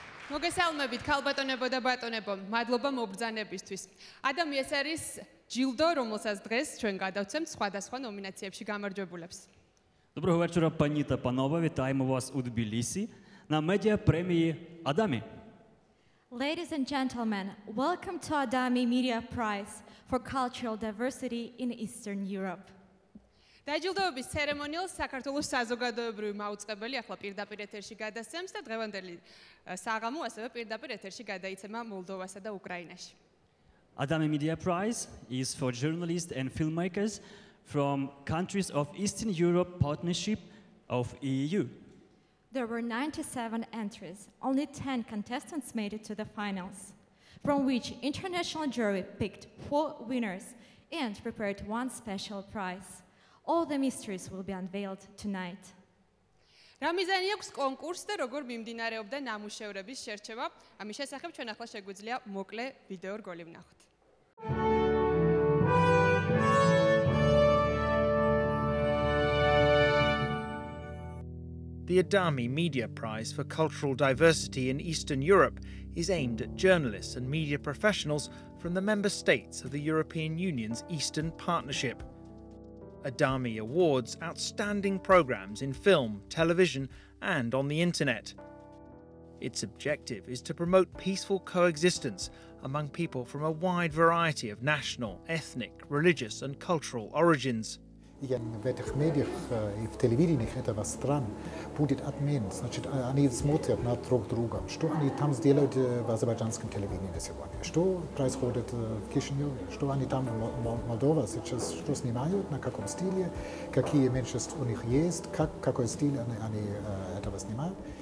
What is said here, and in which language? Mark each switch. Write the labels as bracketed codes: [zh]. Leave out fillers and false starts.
[ka] მოგესალმებით, ქალბატონებო და ბატონებო, მადლობა მობრძანებისთვის. ადამი, ეს არის ჯილდო, რომელსაც დღეს ჩვენ გადავცემთ სხვადასხვა ნომინაციებში გამარჯვებულებს. [uk] Доброго вечора, пані та панове. Вітаємо вас у Тбілісі на медіапремії Адамі. [en] Ladies and gentlemen, welcome to ADAMI Media Prize for Cultural Diversity in Eastern Europe. [ka] დაჯილდოების ცერემონიალს საქართველოს საზოგადოებრივი მაუწყებელი ახლა პირდაპირ ეთერში გადასცემს და დღევანდელი საღამო ასევე პირდაპირ ეთერში გადაიცემა მოლდოვასა და უკრაინაში. [en] ADAMI Media Prize is for journalists and filmmakers from countries of Eastern Europe Partnership of EU. There were 97 entries. Only 10 contestants made it to the finals, from which international jury picked 4 winners and prepared one special prize. All the mysteries will be unveiled tonight. [ka] რა მიზანი აქვს კონკურსს და როგორ მიმდინარეობდა ნამუშევრების შერჩევა? ამის შესახებ ჩვენ ახლა შეგვიძლია მოკლე ვიდეო რგოლი ვნახოთ. [en] The ADAMI Media Prize for Cultural Diversity in Eastern Europe is aimed at journalists and media professionals from the member states of the European Union's Eastern Partnership. ADAMI awards outstanding programs in film, television, and on the internet. Its objective is to promote peaceful coexistence among people from a wide variety of national, ethnic, religious, and cultural origins. [ru] И я в этих медиях и в телевидении этого стран будет отмен, значит, они смотрят на друг друга. Что они там сделают в азербайджанском телевидении на сегодня? Что происходит в Кишиневе? Что они там в Молдове сейчас, что снимают, на каком стиле, какие меньшинства у них есть, какой стиль они этого снимают?